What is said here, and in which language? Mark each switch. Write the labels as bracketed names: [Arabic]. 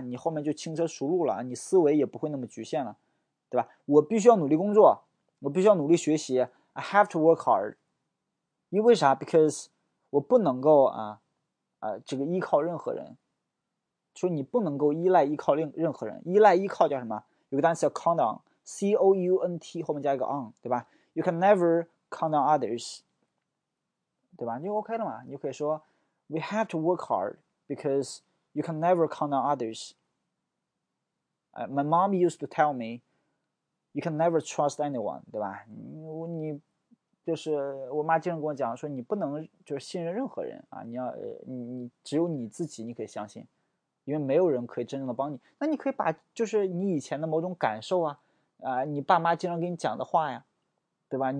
[Chinese] 你后面就轻车熟路了，你思维也不会那么局限了，对吧？我必须要努力工作，我必须要努力学习， [English] I have to work hard。 [Chinese] 因为啥？Because 我不能够这个依靠任何人。说你不能够依赖依靠任何人，依赖依靠叫什么？有个单词叫 count on，count 后面加一个 on，对吧？ [English] You can never count on others， [Chinese] 对吧？就 OK 了嘛，你就可以说 [English] We have to work hard。 Because you can never count on others. My mom used to tell me, you can never trust anyone, [Chinese] 对吧？你就是我妈经常跟我讲说，你不能就是信任任何人啊，你要你只有你自己你可以相信，因为没有人可以真正的帮你。那你可以把就是你以前的某种感受啊，你爸妈经常跟你讲的话呀，对吧？